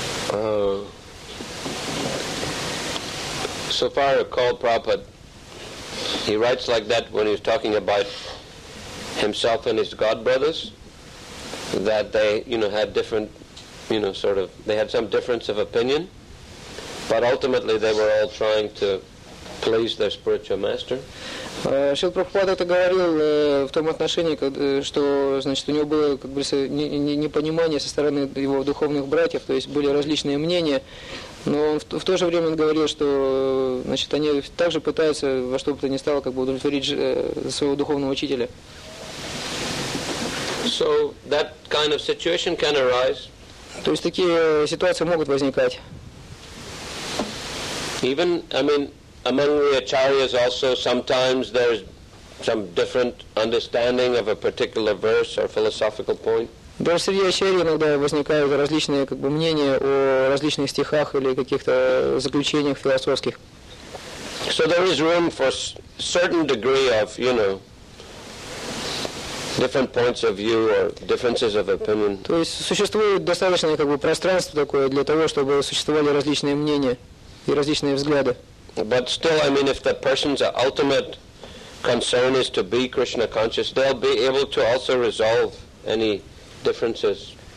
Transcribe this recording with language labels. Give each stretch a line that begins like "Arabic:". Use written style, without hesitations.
English: So far, called Prabhupada, he writes like that when he's talking about himself and his god brothers, that they, you know, had different, you know, sort of, they had some difference of opinion, but ultimately they were all trying to please their spiritual master.
Russian: Шил Прабхупада это говорил в том отношении, что значит у него было как бы непонимание со стороны его духовных братьев, то есть были различные мнения, но он в то же время он говорил, что значит они также пытаются во что бы то ни стало как бы удовлетворить своего духовного учителя.
English: So that kind of situation can arise.
Russian: То есть такие ситуации могут возникать.
English: Even, I mean, among the acharyas also, sometimes there's some different understanding of a particular verse or philosophical point.
Russian: Даже среди ачарий иногда возникают различные как бы мнения о различных стихах или каких-то заключениях философских.
English: So there is room for certain degree of, you know, different points of view or differences of opinion.
Russian: То есть существует достаточное как бы пространство такое для того, чтобы существовали различные мнения и различные взгляды.
English: But still, I mean, if the person's ultimate concern is to be Krishna conscious, they'll be able to also resolve any differences.